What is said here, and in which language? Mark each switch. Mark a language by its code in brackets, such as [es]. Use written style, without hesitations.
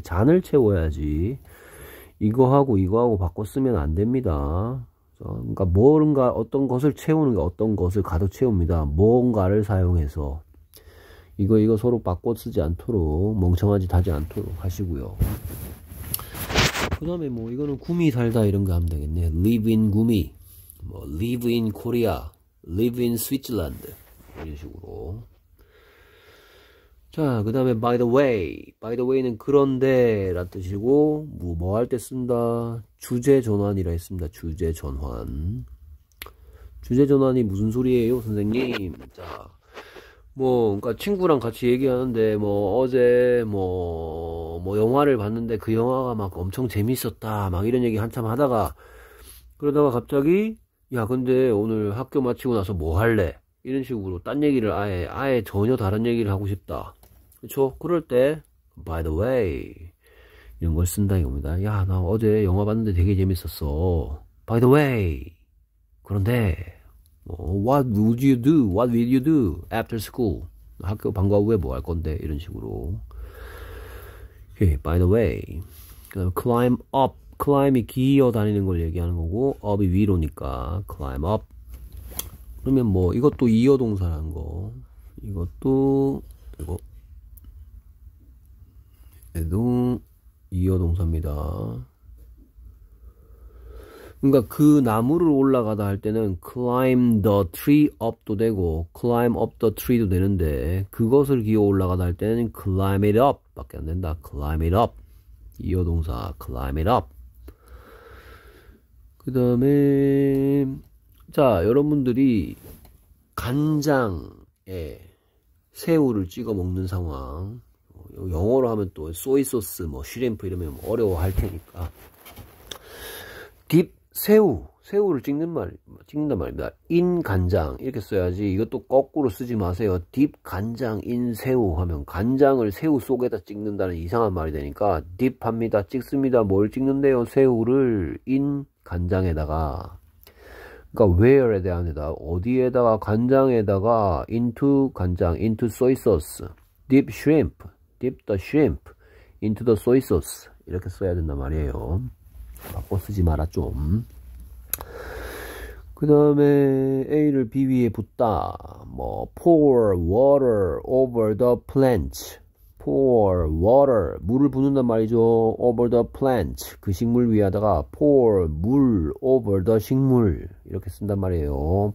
[ko] 잔을 채워야지. 이거하고 이거하고 바꿔 쓰면 안 됩니다. 그러니까 뭔가 어떤 것을 채우는 게 어떤 것을 가둬 채웁니다. 뭔가를 사용해서 이거 서로 바꿔 쓰지 않도록 멍청한 짓 하지 않도록 하시고요. 그 다음에 뭐 이거는 구미 살다 이런 거 하면 되겠네. [en] Live in 구미, 뭐 Live in Korea, Live in Switzerland 이런 식으로. [ko] 자, 그 다음에 [en] By the way, By the way [ko] 는 그런데 라는 뜻이고 뭐할때 쓴다. 주제 전환이라 했습니다. 주제 전환. 주제 전환이 무슨 소리예요, 선생님? 자. 뭐, 그니까, 친구랑 같이 얘기하는데, 뭐, 어제, 뭐, 영화를 봤는데, 그 영화가 막 엄청 재밌었다, 막 이런 얘기 한참 하다가, 그러다가 갑자기, 야, 근데 오늘 학교 마치고 나서 뭐 할래? 이런 식으로, 딴 얘기를 아예 전혀 다른 얘기를 하고 싶다. 그쵸? 그럴 때, [en] by the way, [ko] 이런 걸 쓴다, 이겁니다. 야, 나 어제 영화 봤는데 되게 재밌었어. [en] by the way, [ko] 그런데, [en] What would you do? What will you do after school? [ko] 학교 방과 후에 뭐할 건데? 이런 식으로. [en] Okay, by the way. 그다음에 climb up. [ko] climb이 기어 다니는 걸 얘기하는 거고, up이 위로니까. [en] climb up. [ko] 그러면 뭐, 이것도 이어 동사라는 거. 이것도, 이거. 얘도 이어 동사입니다. 그러니까 그 나무를 올라가다 할 때는 [en] climb the tree up [ko] 도 되고 [en] climb up the tree [ko] 도 되는데 그것을 기어 올라가다 할 때는 [en] climb it up [ko] 밖에 안 된다. [en] climb it up [ko] 이어 동사 [en] climb it up. [ko] 그다음에 자 여러분들이 간장에 새우를 찍어 먹는 상황 영어로 하면 또 소이 소스 뭐 쉬림프 이러면 어려워할 테니까 딥 새우, 새우를 찍는단 말입니다. 인 간장 이렇게 써야지. 이것도 거꾸로 쓰지 마세요. 딥 간장 인 새우 하면 간장을 새우 속에다 찍는다는 이상한 말이 되니까 딥 합니다. 찍습니다. 뭘 찍는데요? 새우를 인 간장에다가. 그러니까 where에 대한 데다 어디에다가 간장에다가 into 간장 into soy sauce, [en] dip shrimp, dip the shrimp into the soy sauce [ko] 이렇게 써야 된단 말이에요. 바꿔 쓰지 마라 좀. 그 다음에 A를 B 위에 붙다. 뭐 [en] pour water over the plants. pour water [ko] 물을 붓는단 말이죠. [en] over the plants [ko] 그 식물 위에다가 pour 물 over the 식물 이렇게 쓴단 말이에요.